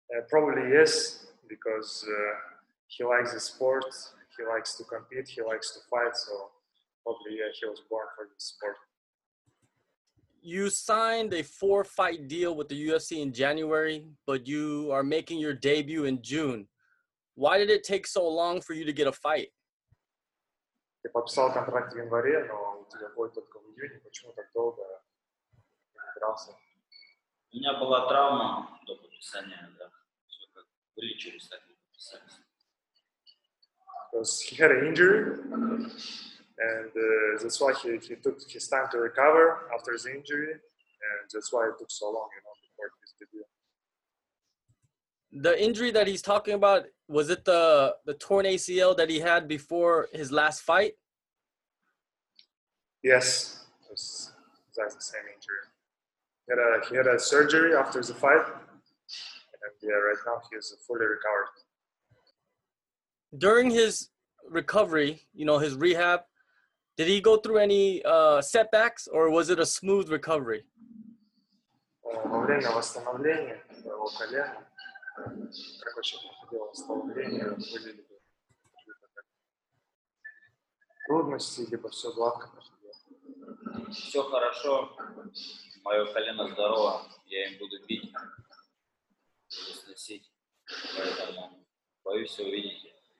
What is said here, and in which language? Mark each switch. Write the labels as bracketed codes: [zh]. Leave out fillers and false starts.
[en] Probably yes, because he likes the sport, he likes to compete, he likes to fight, so probably yeah, he was born for this sport. You signed a 4-fight deal with the UFC in January, but you are making your debut in June. Why did it take so long for you to get a fight? [ru] Ты подписал контракт в январе, но у тебя бой только в июне. Почему так долго? У меня была травма до подписания, да. Все как вылечились, так и подписались. [en] He had an injury, and that's why he took his time to recover after his injury, and that's why it took so long, you know, before his debut. The injury that he's talking about, was it the torn ACL that he had before his last fight? Yes, that's the same injury. He had a surgery after the fight, and yeah, right now he is fully recovered. During his recovery, you know, his rehab, did he go through any setbacks, or was it a smooth recovery? [ru] Во время восстановления своего колена, как вообще проходило восстановление, были ли трудности, либо все гладко проходило? Все хорошо. Мое колено здорово, я им буду бить, буду сносить, поэтому боюсь все увидеть.